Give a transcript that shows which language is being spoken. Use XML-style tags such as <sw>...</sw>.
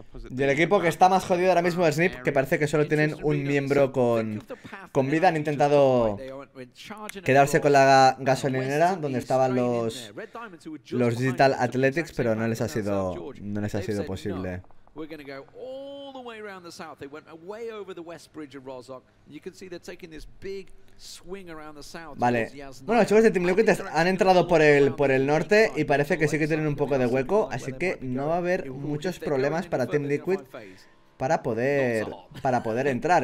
<es>Y el equipo que está más jodido ahora mismo es NIP, que parece que solo tienen un miembro con vida. Han intentado quedarse con la gasolinera donde estaban los Digital Athletics, pero no les ha sido posible.</es> <en>We're going to go all the way around the south. They went way over the west bridge of Rozok. You can see they're taking this big swing around the south.</en> <es>Vale. Bueno, los chicos de Team Liquid han entrado por el norte y parece que sí que tienen un poco de hueco, así que no va a haber muchos problemas para Team Liquid para poder entrar.</es>